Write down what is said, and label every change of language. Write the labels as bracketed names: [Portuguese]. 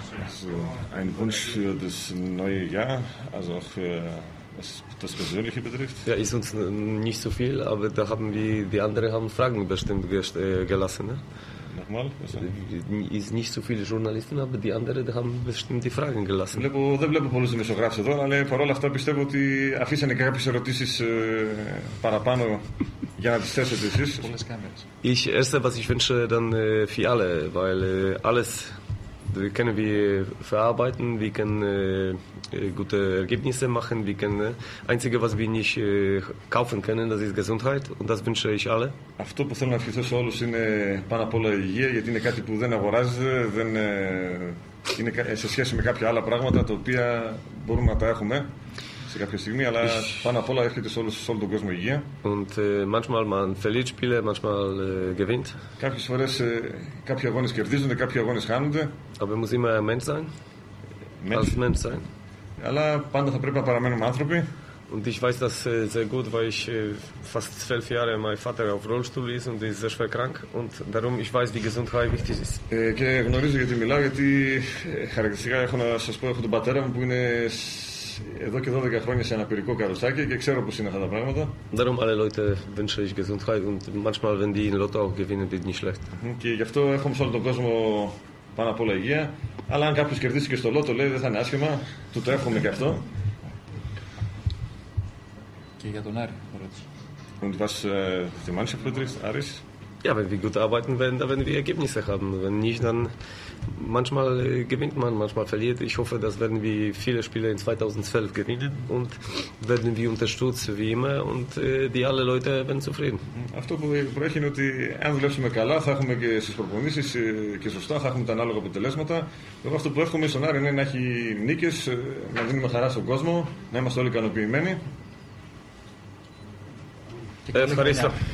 [German] Also, ein Wunsch für das neue Jahr, also auch für was das Persönliche betrifft. Ja, ist uns nicht so viel, aber da haben wir, die anderen haben Fragen bestimmt gelassen. Ne? Nochmal? Ist nicht so viele Journalisten, aber die anderen die haben bestimmt die Fragen gelassen. [Greek] Δεν βλέπω πολλούς δημοσιογράφους εδώ, αλλά παρόλα αυτά πιστεύω ότι αφήσανε κάποιες ερωτήσεις παραπάνω για να τις θέσετε εσείς. Πολλές κάμερες. [German] Ich erste, was ich wünsche dann für alle, weil alles wir können wir verarbeiten, wir können gute Ergebnisse machen, wir können einzige, was wir nicht kaufen können, das ist Gesundheit und das wünsche ich alle. [Greek] Αυτό που θέλω να ευχηθώ σε όλους είναι πάνω απ' όλα υγεία, γιατί είναι κάτι που δεν αγοράζεται, δεν είναι σε σχέση με κάποια άλλα πράγματα τα οποία μπορούμε να τα έχουμε σε κάποια στιγμή, αλλά πάνω απ' όλα έρχεται σε όλο τον κόσμο υγεία. [German] Und manchmal man verliert Spiele, manchmal gewinnt. [Greek] Κάποιες φορές κάποιοι αγώνες κερδίζονται, κάποιοι αγώνες χάνονται. [German] Aber muss immer ein Mensch sein. Als Mensch sein. [Greek] Αλλά πάντα θα πρέπει να παραμένουμε άνθρωποι. [German] Und ich weiß das sehr gut, weil ich fast 12 Jahre mein Vater auf Rollstuhl ist und ist sehr schwer krank. Und darum ich weiß, wie Gesundheit wichtig ist. [Greek] Και γνωρίζω γιατί μιλάω, γιατί χαρακτηριστικά έχω να σας πω, έχω τον πατέρα μου που είναι εδώ και 12 χρόνια σε ένα πυρικό καροσάκι και ξέρω πώς είναι αυτά τα πράγματα. [German] Darum alle Leute wünsche ich Gesundheit und manchmal, wenn die in Lotto auch gewinnen, die sind nicht schlecht. [Greek] Και γι' αυτό έχουμε σε όλο τον κόσμο πάνω απ' όλα υγεία. Αλλά αν κάποιος κερδίσει και στο Λότο, λέει δεν θα είναι άσχημα, του το εύχομαι και αυτό. Και για τον Άρη, ρώτησε. [German] Und was die Mannschaft betrifft, Άρης. Ja, wenn wir gut arbeiten, wenn wir Ergebnisse haben. Wenn nicht, dann manchmal gewinnt man, manchmal verliert. Ich hoffe, dass werden wir viele Spiele in 2012 gewinnen und werden wir unterstützt wie immer und die alle Leute werden zufrieden. [Greek] Αυτό που προέχει είναι ότι αν δουλέψουμε καλά θα έχουμε και στις προπονήσεις και σωστά θα έχουμε τα ανάλογα αποτελέσματα. Εγώ αυτό που εύχομαι στον Άρη είναι να έχει νίκες, να δίνουμε χαρά στον κόσμο, να είμαστε όλοι ικανοποιημένοι. Ευχαριστώ.